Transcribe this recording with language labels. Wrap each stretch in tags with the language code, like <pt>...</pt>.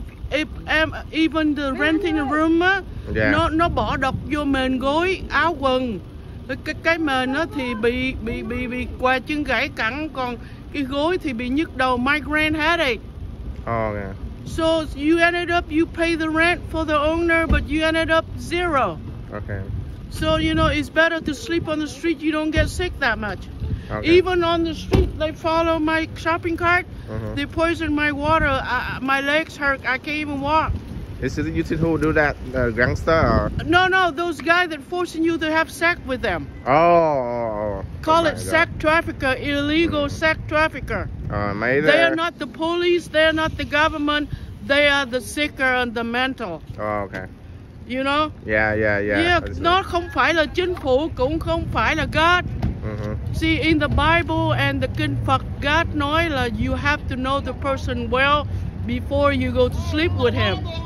<en>If even the renting a room,</en> <vi>nó bỏ độc vô mền gối, áo quần. Cái mền nó thì bị què chân gãy cẳng, còn cái gối thì bị nhức đầu, migraine headache.</vi> <en>Oh yeah. So you ended up, you pay the rent for the owner, but you ended up zero. Okay. So, you know, it's better to sleep on the street. You don't get sick that much. Okay. Even on the street, they follow my shopping cart. Uh-huh. They poison my water. My legs hurt. I can't even walk. Is it you who do that, gangster? Or? No, those guys that forcing you to have sex with them. Oh. call it sex trafficker, illegal sex trafficker.</en> <vi>Mấy</vi> <en>they are not the police, they are not the government, they are the sicker and the mental. You know? Yeah.</en> <vi>Nó không phải là chính phủ, cũng không phải là God.</vi> <en>See, in the Bible and the Kinh Phật, God</en> <vi>nói là</vi> <en>you have to know the person well before you go to sleep with him.</en>